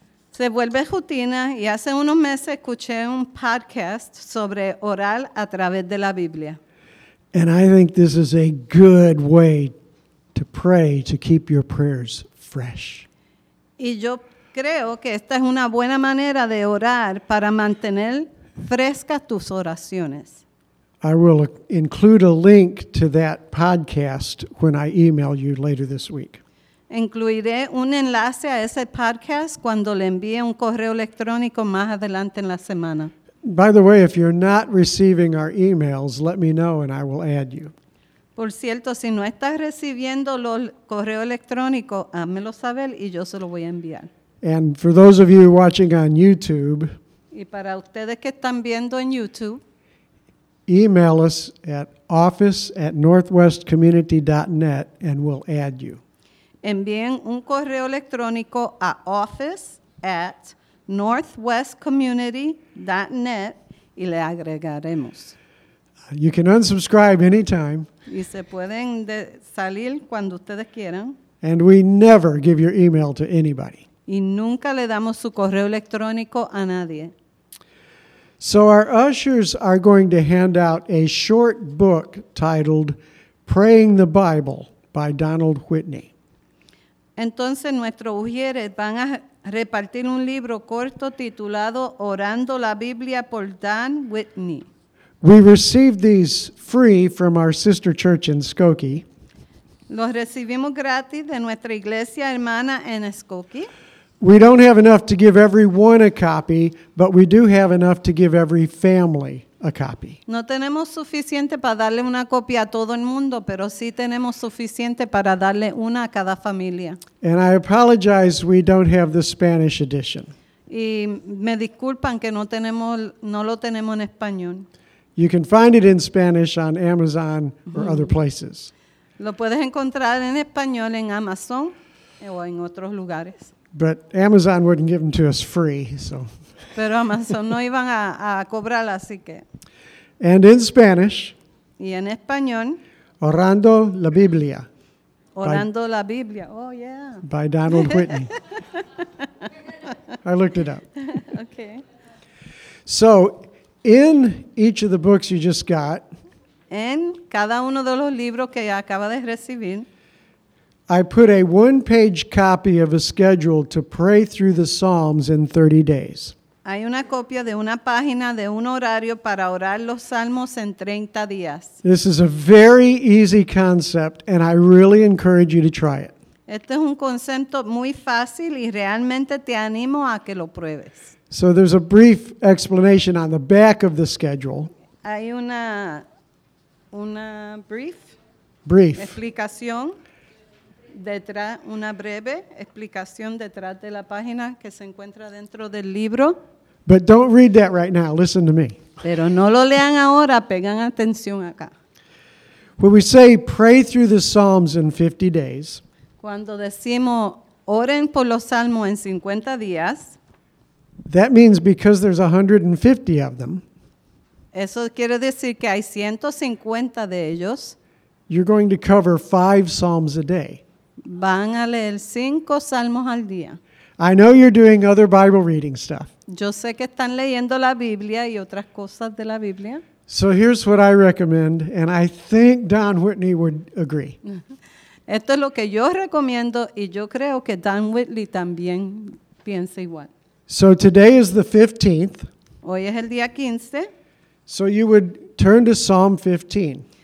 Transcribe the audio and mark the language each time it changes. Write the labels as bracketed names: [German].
[Spanish] Se vuelve rutina y hace unos meses escuché un podcast sobre orar a través de la Biblia. [English] And I think this is a good way to pray to keep your prayers fresh. [Spanish] Y yo creo que esta es una buena manera de orar para mantener frescas tus oraciones. [English] I will include a link to that podcast when I email you later this week. [Spanish] Incluiré un enlace a ese podcast cuando le envíe un correo electrónico más adelante en la semana. [English] By the way, if you're not receiving our emails, let me know and I will add you. [Spanish] Por cierto, si no estás recibiendo los correos electrónicos, házmelo saber y yo se lo voy a enviar. [English] And for those of you watching on YouTube, [Spanish] y para ustedes que están viendo en YouTube, [English] email us at office@northwestcommunity.net and we'll add you. [Spanish] Envíen un correo electrónico a office@northwestcommunity.net y le agregaremos. [English] You can unsubscribe anytime. [Spanish] Y se pueden salir cuando ustedes quieran. [English] And we never give your email to anybody. [Spanish] Y nunca le damos su correo electrónico a nadie. [English] So our ushers are going to hand out a short book titled Praying the Bible by Donald Whitney. [Spanish] Entonces nuestros ushers van a repartir un libro corto titulado Orando la Biblia por Dan Whitney. [English] We received these free from our sister church in Skokie. [Spanish] Los recibimos gratis de nuestra iglesia hermana en Skokie. [English] We don't have enough to give everyone a copy, but we do have enough to give every family a copy. [Spanish] No tenemos suficiente para darle una copia a todo el mundo, pero sí tenemos suficiente para darle una a cada familia. [English] And I apologize we don't have the Spanish edition. [Spanish] Y me disculpan que no lo tenemos en español. [English] You can find it in Spanish on Amazon or other places. [Spanish] Lo puedes encontrar en español en Amazon o en otros lugares. [English] But Amazon wouldn't give them to us free, so. [Spanish] Pero Amazon no iban a cobrar, así que. [English] And in Spanish. [Spanish] Y en español. Orando la Biblia. Orando la Biblia. [English] Oh yeah. By Donald Whitney. I looked it up. Okay. So. In each of the books you just got, [Spanish] en cada uno de los libros que acaba de recibir, [English] I put a one-page copy of a schedule to pray through the Psalms in 30 days. [Spanish] Hay una copia de una página de un horario para orar los Salmos en 30 días. [English] This is a very easy concept, and I really encourage you to try it. [Spanish] Este es un concepto muy fácil, y realmente te animo a que lo pruebes. [English] So there's a brief explanation on the back of the schedule. [Spanish] Hay una brief. [English] Brief. [Spanish] Explicación detrás, una breve explicación detrás de la página que se encuentra dentro del libro. [English] But don't read that right now. Listen to me. [Spanish] Pero no lo lean ahora. Pegan atención acá. [English] When we say pray through the Psalms in 50 days. [Spanish] Cuando decimos oren por los salmos en 50 días. [English] That means because there's 150 of them. [Spanish] Eso quiere decir que hay 150 de ellos. [English] You're going to cover 5 psalms a day. [Spanish] Van a leer 5 salmos al día. [English] I know you're doing other Bible reading stuff. [Spanish] Yo sé que están leyendo la Biblia y otras cosas de la Biblia. [English] So here's what I recommend, and I think Don Whitney would agree. [Spanish] Esto es lo que yo recomiendo, y yo creo que Don Whitley también piensa igual. [English] So today is the 15th. [Spanish] Hoy es el día 15. [English] So you would turn to Psalm 15.